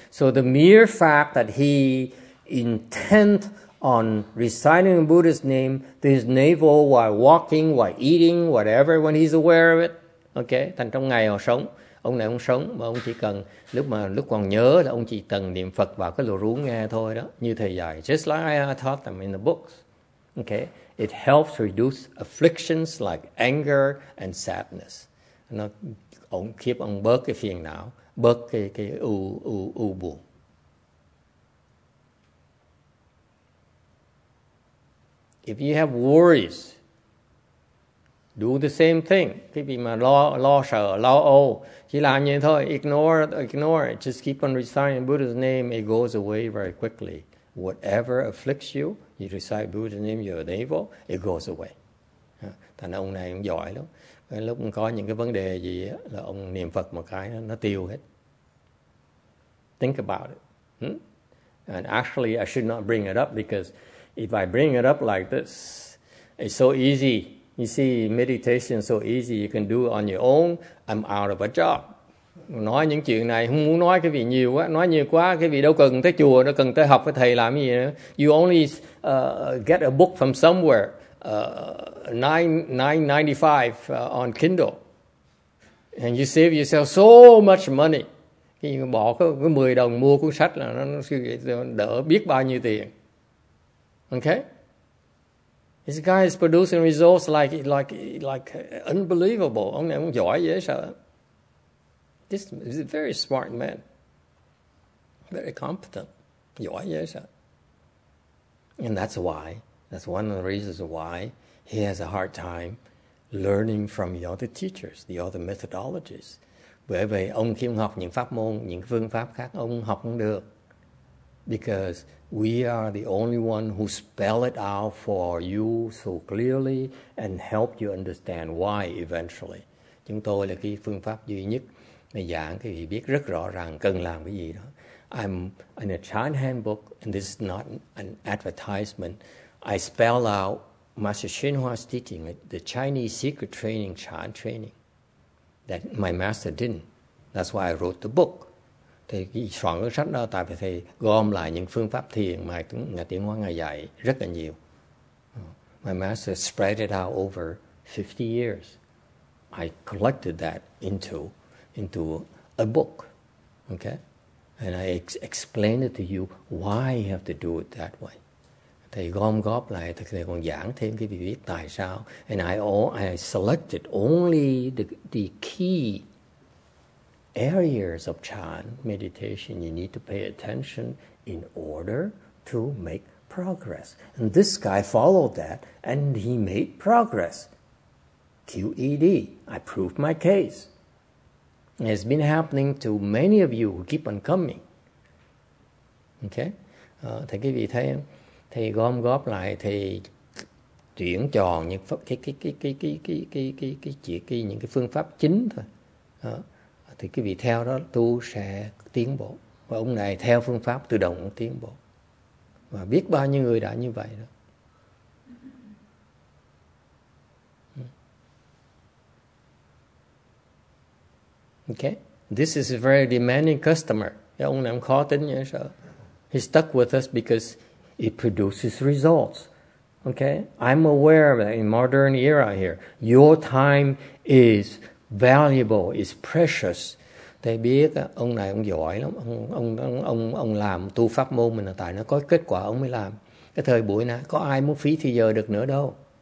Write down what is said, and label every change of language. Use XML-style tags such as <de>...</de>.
<en>So the mere fact that he intent on reciting Buddha's name to his navel while walking, while eating, whatever, when he's aware of it.</en> <vi>Okay, thành trong ngày họ sống. Ông này ông sống, mà ông chỉ cần, lúc còn nhớ là ông chỉ cần niệm Phật vào cái lỗ rú nghe thôi đó. Như thầy dạy,</vi> <en>just like I taught them in the books. Okay, it helps reduce afflictions like anger and sadness.</en> <vi>nó ông khiếp ông bớt cái phiền não, bớt cái u buồn.</vi> <en>If you have worries, do the same thing.</en> <vi>Cái gì mà lo sợ, lo âu, chỉ làm như thôi,</vi> <en>ignore, just keep on reciting Buddha's name, it goes away very quickly. Whatever afflicts you, you recite Buddha's name, you're devil, it goes away.</en> <vi>Thành ông này cũng giỏi lắm. Cái lúc có những cái vấn đề gì đó, là ông niệm Phật một cái nó tiêu hết.</vi> <en>Think about it. And actually, I should not bring it up because if I bring it up like this, it's so easy. You see, meditation is so easy. You can do it on your own. I'm out of a job.</en> <vi>Nói những chuyện này, không muốn nói cái vị nhiều quá. Nói nhiều quá, cái vị đâu cần tới chùa, đâu cần tới học với thầy làm gì nữa.</vi> <en>You only get a book from somewhere. $9.95 on Kindle, and you save yourself so much money.</en> <vi>Khi mà bỏ cái 10 đồng mua cuốn sách là nó đỡ biết bao nhiêu tiền.</vi> <en>Okay, this guy is producing results like unbelievable.</en> <vi>Ông này cũng giỏi dễ sợ.</vi> <en>This is a very smart man, very competent,</en> <vi>giỏi dễ sợ.</vi> <en>And that's why. That's one of the reasons why he has a hard time learning from the other teachers, the other methodologies.</en> <vi>Bởi vì ông khi ông học những pháp môn, những phương pháp khác, ông học không được.</vi> <en>Because we are the only one who spell it out for you so clearly and help you understand why eventually.</en> <vi>Chúng tôi là cái phương pháp duy nhất mà giảng cái gì biết rất rõ ràng cần làm cái gì đó.</vi> <en>I'm in a Chan handbook, and this is not an advertisement. I spell out Master Xinhua's teaching, the Chinese secret training, Chan training, that my master didn't. That's why I wrote the book.</en> <vi>Thì soạn cái sách đó tại vì thầy gom lại những phương pháp thiền mà Ngài Tiến Hóa Ngài dạy rất là nhiều.</vi> <en>My master spread it out over 50 years. I collected that into a book. Okay? And I explained it to you why you have to do it that way.</en> <vi>Thầy gom góp lại, thầy còn giảng thêm cái bí quyết tại sao.</vi> <en>And I selected only the key areas of Chan meditation you need to pay attention in order to make progress. And this guy followed that and he made progress. QED, I proved my case. It has been happening to many of you who keep on coming.</en> <vi>Okay? Thầy quý vị thấy không? Thì gom góp lại thì chuyển tròn những cái phương pháp chính thôi. Đó. Thì cái vị theo đó tu sẽ tiến bộ. Và ông này theo phương pháp tự động tiến bộ. Và biết bao nhiêu người đã như vậy đó.</vi> <en>Okay. This is a very demanding customer.</en> <vi>Cái ông này cũng khó tính như sợ.</vi> <en>He stuck with us because it produces results. Okay? I'm aware of that in modern era here. Your time is valuable, is precious.</en> <vi>Thầy biết ông này ông giỏi lắm. Ông làm tu pháp môn mình là tại nó có kết quả ông mới làm. Cái thời buổi này có ai muốn phí thì giờ được nữa đâu.</vi>